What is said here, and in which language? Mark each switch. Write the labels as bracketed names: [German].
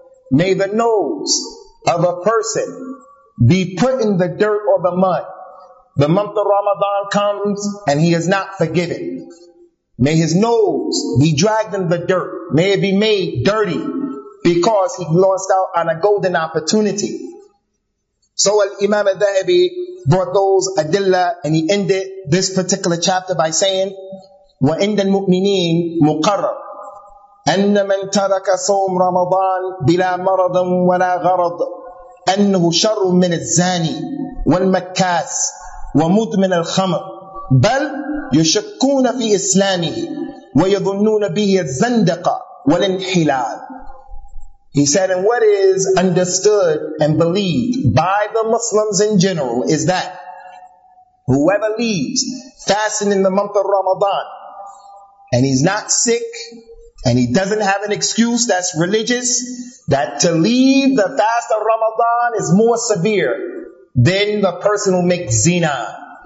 [English] May the nose of a person be put in the dirt or the mud. The month of Ramadan comes and he is not forgiven. May his nose be dragged in the dirt. May it be made dirty because he lost out on a golden opportunity. So Imam al-Dhahabi brought those adilla and he ended this particular chapter by saying, [Arabic] وَإِنَّ الْمُؤْمِنِينَ مُقَرَّرَ أَنَّ مَنْ تَرَكَ صَوْمْ رَمَضَانٍ بِلَا مَرَضٍ وَلَا غَرَضٍ أنه شر من الزاني والمكاس ومدمن الخمر بل يشكون في إسلامه ويظنون به الزندقة والانحلال. [English] He said, and what is understood and believed by the Muslims in general is that whoever leaves fasting in the month of Ramadan and he's not sick and he doesn't have an excuse that's religious, that to leave the fast of Ramadan is more severe than the person who makes zina.